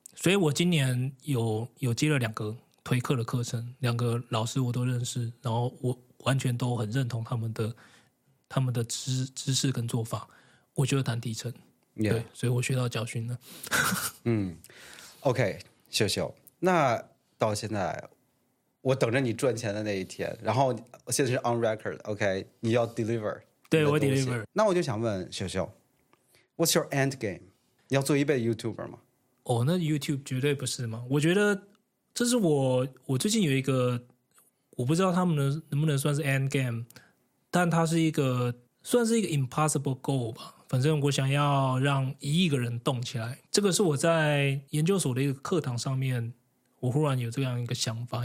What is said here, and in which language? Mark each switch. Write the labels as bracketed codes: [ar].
[zh] 所以我今年有接了两个推课的课程，两个老师我都认识，然后我完全都很认同他们的 知识跟做法，我就谈提成。 [en] yeah. [zh] 对，所以我学到教训了。 OK 秀秀，那到现在我等着你赚钱的那一天，然后现在是 [en] on record [zh] OK 你要 deliver。对，我 deliver。那我就想问秀秀， [en] What's your end game? [zh] 你要做一辈 YouTuber 吗？那 YouTube 绝对不是吗？我觉得这是我最近有一个，我不知道他们能不能算是 end game， 但它是一个算是一个 impossible goal 吧。反正我想要让1亿个人动起来，这个是我在研究所的一个课堂上面，我忽然有这样一个想法。